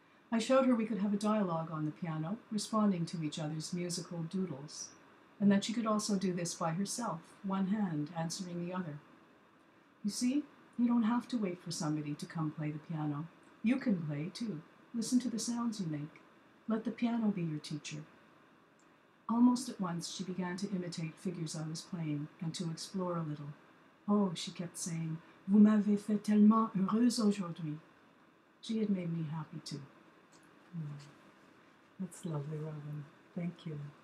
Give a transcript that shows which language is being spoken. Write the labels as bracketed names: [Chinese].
[English] I showed her we could have a dialogue on the piano, responding to each other's musical doodles, and that she could also do this by herself, one hand answering the other. You see, you don't have to wait for somebody to come play the piano. You can play, too. Listen to the sounds you make. Let the piano be your teacher. Almost at once, she began to imitate figures I was playing and to explore a little. Oh, she kept saying, [French] "Vous m'avez fait tellement heureuse aujourd'hui." [English] She had made me happy too. That's lovely, Robyn. Thank you.